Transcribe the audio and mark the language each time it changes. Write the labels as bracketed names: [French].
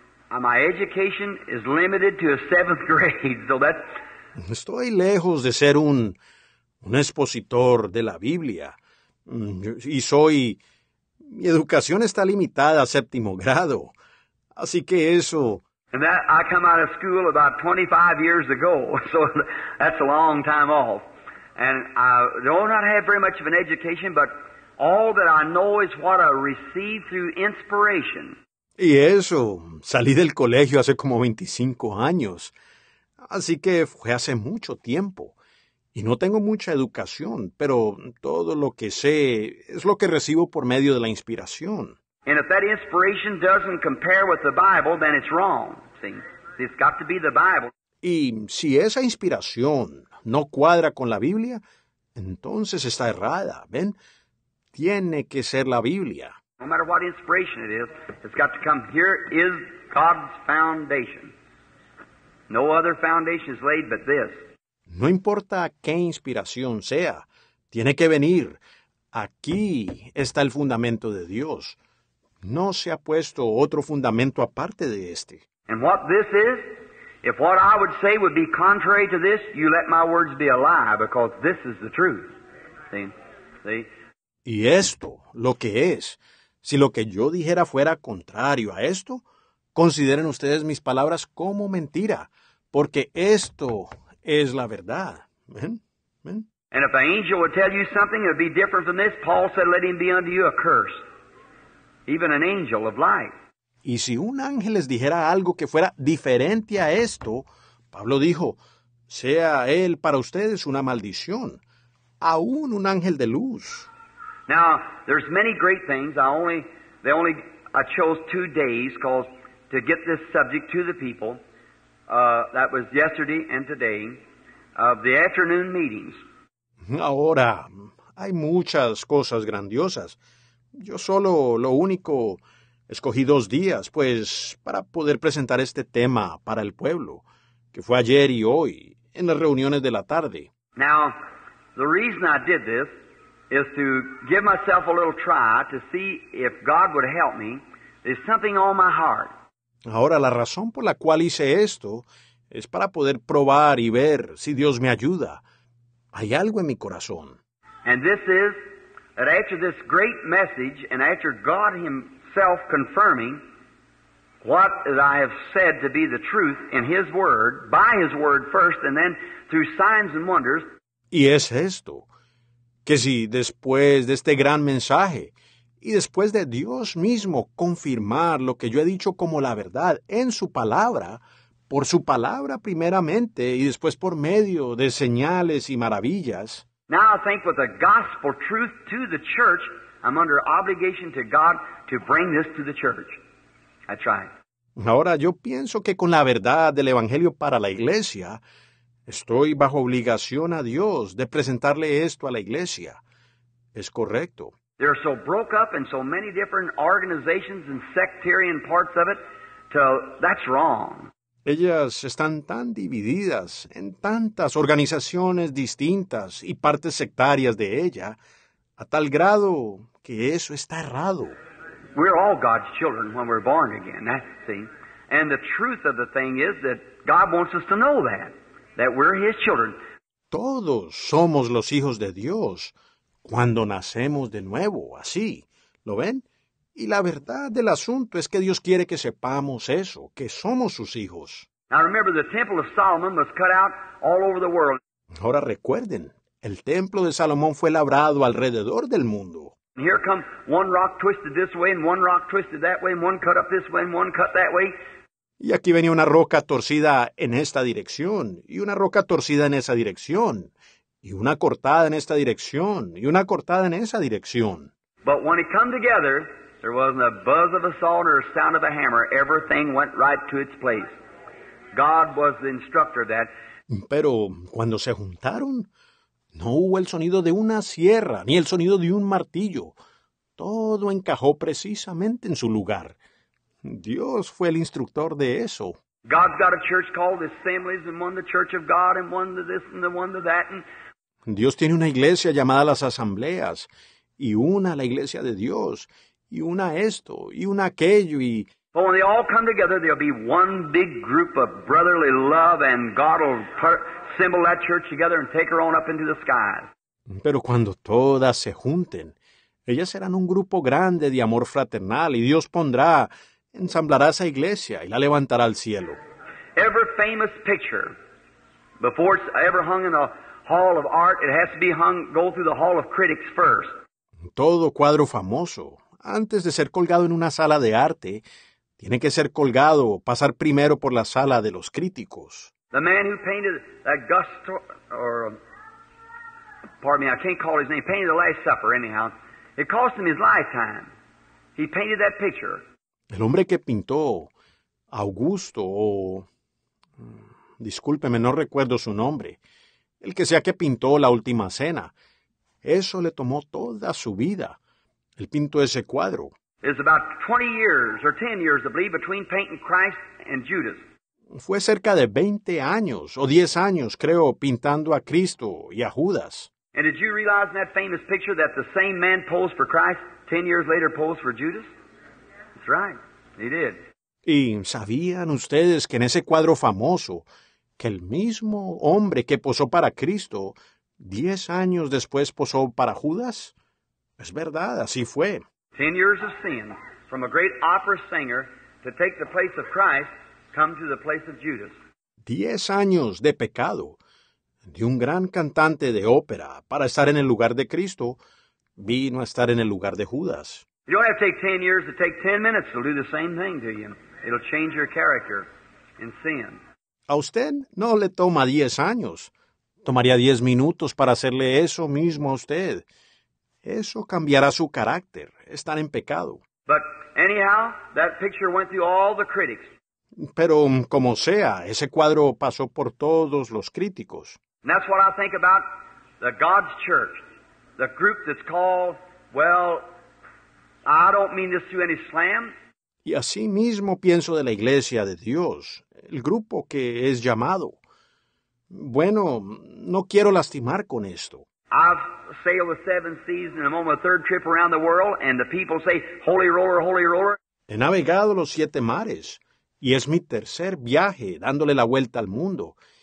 [English] My education is limited to a seventh grade. So that's... [Spanish] Estoy lejos de ser un expositor de la Biblia. Y soy... Mi educación está limitada a séptimo grado. Así que eso... [English] And that, I come out of school about 25 years ago, so that's a long time off. And I don't have very much of an education, but all that I know is what I received through inspiration. [Spanish] Y eso, salí del colegio hace como 25 años, así que fue hace mucho tiempo. Y no tengo mucha educación, pero todo lo que sé es lo que recibo por medio de la inspiración. [English] And if that inspiration doesn't compare with the Bible, then it's wrong. See, it's got to be the Bible. [Spanish] Y si esa inspiración no cuadra con la Biblia, entonces está errada. ¿Ven? Tiene que ser la Biblia. [English] No matter what inspiration it is, it's got to come. Here is God's foundation. No other foundation is laid but this. [Spanish] No importa qué inspiración sea, tiene que venir. Aquí está el fundamento de Dios. No se ha puesto otro fundamento aparte de este. [English] And what this is, if what I would say would be contrary to this, you let my words be a lie, because this is the truth. See? [Spanish] Y esto, lo que es, si lo que yo dijera fuera contrario a esto, consideren ustedes mis palabras como mentira, porque esto es la verdad. ¿Ven? ¿Ven? [English] And if an angel would tell you something, it would be different than this. Paul said, let him be unto you a curse. Even an angel of light. [Spanish] Y si un ángel les dijera algo que fuera diferente a esto, Pablo dijo, sea él para ustedes una maldición, aún un ángel de luz. [English] Now, there's many great things. I chose 2 days because to get this subject to the people. That was yesterday and today of the afternoon meetings. [Spanish] Ahora, hay muchas cosas grandiosas. Yo solo, lo único, escogí 2 días, pues, para poder presentar este tema para el pueblo, que fue ayer y hoy, en las reuniones de la tarde. [English] Now, the reason I did this is to give myself a little try to see if God would help me. There's something on my heart. [Spanish] Ahora, la razón por la cual hice esto es para poder probar y ver si Dios me ayuda. Hay algo en mi corazón. [English] And this is... that after this great message and after God himself confirming what I have said to be the truth in his word, by his word first and then through signs and wonders. [Spanish] Y es esto, que si después de este gran mensaje y después de Dios mismo confirmar lo que yo he dicho como la verdad en su palabra, por su palabra primeramente y después por medio de señales y maravillas. [English] Now I think with the gospel truth to the church, I'm under obligation to God to bring this to the church. That's right. [Spanish] Ahora yo pienso que con la verdad del evangelio para la iglesia, estoy bajo obligación a Dios de presentarle esto a la iglesia. Es correcto. [English] They're so broke up in so many different organizations and sectarian parts of it, so that's wrong. [Spanish] Ellas están tan divididas en tantas organizaciones distintas y partes sectarias de ella, a tal grado que eso está errado. [English] We're all God's children when we're born again, see? And the truth of the thing is that God wants us to know that we're his children. [Spanish] Todos somos los hijos de Dios cuando nacemos de nuevo, así, ¿lo ven? Y la verdad del asunto es que Dios quiere que sepamos eso, que somos sus hijos. [English] Now remember, the temple of Solomon was cut out all over the world. [Spanish] Ahora recuerden, el templo de Salomón fue labrado alrededor del mundo. [English] And here come one rock twisted this way and one rock twisted that way and one cut up this way and one cut that way. [Spanish] Y aquí venía una roca torcida en esta dirección y una roca torcida en esa dirección y una cortada en esta dirección y una cortada en esa dirección. [English] But when it come together, there wasn't a buzz of a saw or a sound of a hammer. Everything went right to its place. God was the instructor of that. [Spanish] Pero cuando se juntaron, no hubo el sonido de una sierra ni el sonido de un martillo. Todo encajó precisamente en su lugar. Dios fue el instructor de eso. [English] God's got a church called Assemblies, and one the Church of God, and one the this, and the one the that. And... [Spanish] Dios tiene una iglesia llamada las Asambleas, y una la Iglesia de Dios, y una esto, y una aquello, y... [English] But when they all come together, there'll be one big group of brotherly love, and God will assemble that church together and take her on up into the skies. [Spanish] Pero cuando todas se junten, ellas serán un grupo grande de amor fraternal, y Dios pondrá... ensamblará esa iglesia y la levantará al cielo. [English] Every famous picture before it's ever hung in a hall of art, it has to be hung, go through the hall of critics first. [Spanish] Todo cuadro famoso, antes de ser colgado en una sala de arte, tiene que ser colgado, pasar primero por la sala de los críticos. [English] The man who painted Augusto, or, pardon me, I can't call his name, painted the Last Supper anyhow. It cost him his lifetime. He painted that picture. [Spanish] El hombre que pintó Augusto, o discúlpeme, no recuerdo su nombre, el que sea que pintó la Última Cena, eso le tomó toda su vida. Él pintó ese cuadro. [English] It's about 20 years or 10 years, I believe, between painting Christ and Judas. [Spanish] Fue cerca de 20 años o 10 años, creo, pintando a Cristo y a Judas. [English] And did you realize in that famous picture that the same man posed for Christ 10 years later posed for Judas? Right. He did. [Spanish] ¿Y sabían ustedes que en ese cuadro famoso, que el mismo hombre que posó para Cristo, 10 años después posó para Judas? Es verdad, así fue. [English] 10 years of sin from a great opera singer to take the place of Christ come to the place of Judas. [Spanish] 10 años de pecado de un gran cantante de ópera para estar en el lugar de Cristo vino a estar en el lugar de Judas. [English] You don't have to take 10 years, to take 10 minutes, it'll do the same thing to you. It'll change your character in sin. [Spanish] A usted no le toma 10 años. Tomaría 10 minutos para hacerle eso mismo a usted. Eso cambiará su carácter, estar en pecado. [English] But anyhow, that picture went through all the critics. [Spanish] Pero como sea, ese cuadro pasó por todos los críticos. [English] And that's what I think about the God's church, the group that's called, well... I don't mean this to any slam. [Spanish] Y así mismo pienso de la Iglesia de Dios, el grupo que es llamado. Bueno, no quiero lastimar con esto. [English] I've sailed the seven seas and I'm on my third trip around the world and the people say, holy roller, holy roller. [Spanish] He navegado los 7 mares y es mi tercer viaje dándole la vuelta al mundo.